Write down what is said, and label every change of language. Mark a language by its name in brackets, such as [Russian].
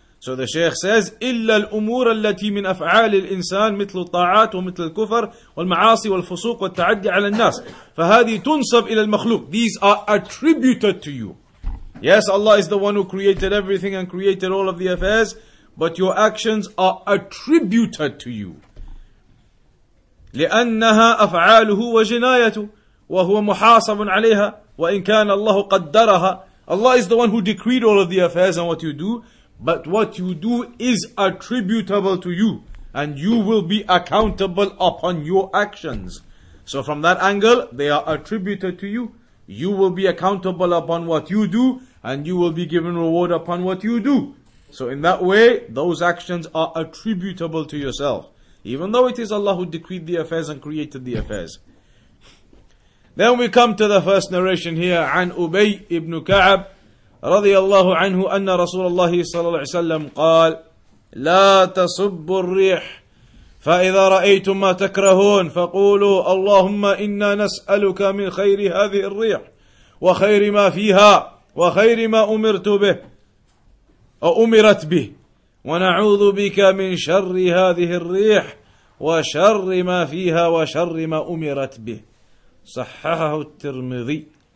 [English] So the Shaykh says, [Arabic] إِلَّا الْأُمُورَ الَّتِي مِنْ أَفْعَالِ الْإِنسَانِ مِثْلُ الطَّاعَاتِ وَمِثْلُ الْكُفَرِ وَالْمَعَاصِ وَالْفُسُوقِ وَالتَّعَدِّي عَلَى النَّاسِ فَهَذِي تُنْصَبْ إِلَى الْمَخْلُوقِ. [English] These are attributed to you. Yes, Allah is the one who created everything and created all of the affairs. But your actions are attributed to you. [Arabic] لأنها أفعاله وجنايته وهو محاسب عليها وإن كان الله قدرها. [English] Allah is the one who decreed all of the affairs and what you do. But what you do is attributable to you. And you will be accountable upon your actions. So from that angle, they are attributed to you. You will be accountable upon what you do. And you will be given reward upon what you do. So in that way, those actions are attributable to yourself. Even though it is Allah who decreed the affairs and created the affairs. Then we come to the first narration here. [Arabic] عن أبي بن كعب رضي الله عنه أن رسول الله صلى الله عليه وسلم قال لا تصب الريح فإذا رأيتم ما تكرهون فقولوا اللهم إنا نسألك من خير هذه الريح وخير ما فيها وخير ما أمرت به أمرت به ونعوذ بك من شر هذه الريح وشر ما فيها وشر ما أمرت به صححه الترمذي.